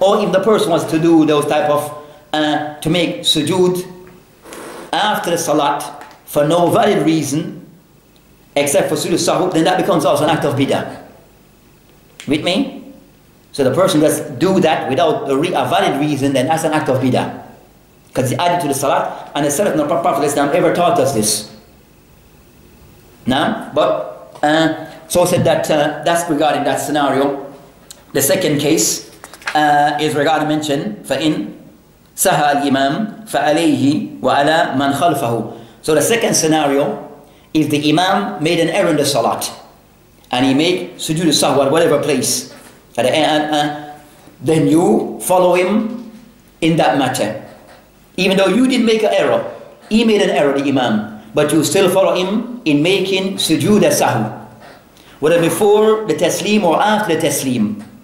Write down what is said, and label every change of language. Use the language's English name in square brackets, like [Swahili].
[English] Or if the person wants to do those type of, to make sujood after the salat, for no valid reason, except for sujood sahu, then that becomes also an act of bidah. With me? So the person does do that without a valid reason, then that's an act of bidah. Because it's added to the Salat, and the Salaf, the Prophet of Islam, ever taught us this. Now, but, so said that, that's regarding that scenario. The second case is regarding mention, [Arabic] فَإِن سَهَى الْإِمَامُ فَأَلَيْهِ وَأَلَى مَنْ خَلْفَهُ. [English] So the second scenario is the Imam made an error in the Salat, and he made Sujood Al Sahw at whatever place, then you follow him in that matter. Even though you didn't make an error, he made an error, the Imam, but you still follow him in making Sujood Al Sahw, whether before the Taslim or after the Taslim.